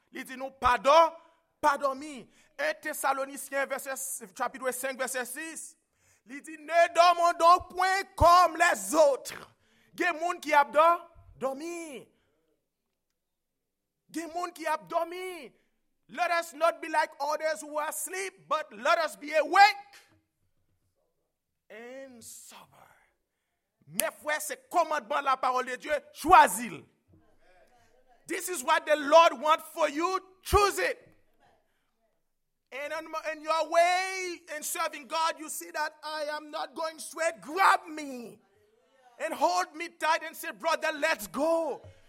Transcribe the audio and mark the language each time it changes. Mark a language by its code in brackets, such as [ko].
[fr] Il dit, nous, pardon, pardonne-moi. 1 Thessaloniciens, chapitre 5, verset 6. Il dit, ne dormons donc point comme les autres. Il y a des gens qui ont dormi. Il y a des gens qui ont dormi. [en] Let us not be like others who are asleep, but let us be awake and sober. [fr] Mes frères, c'est commandement la parole de Dieu. Choisis. [en] This is what the Lord wants for you. Choose it. And in your way in serving God, you see that I am not going straight. Grab me and hold me tight and say, brother, let's go.